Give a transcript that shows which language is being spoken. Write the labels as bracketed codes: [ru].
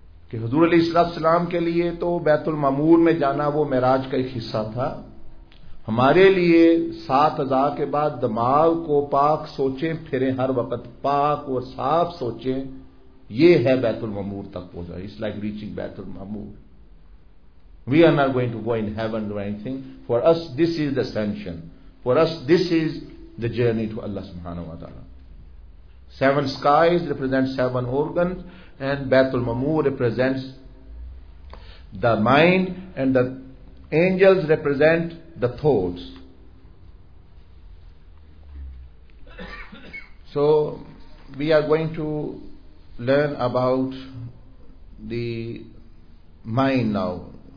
[ur] کہ حضور علیہ السلام کے لیے تو بیت المامور میں جانا وہ معراج کا ایک حصہ تھا, ہمارے لیے سات ہزار کے بعد دماغ کو پاک سوچیں پھریں ہر وقت پاک اور صاف سوچیں, یہ ہے بیت المامور تک پہنچا. [en] It's like reaching Baitul Mamur. We are not going to go in heaven or anything. For us this is the ascension, for us this is the journey to Allah سبحانہ و تعالی. Seven skies represent seven organs, and Baitul Mamur represents the mind, and the angels represent the thoughts. So we are going to learn about the mind now.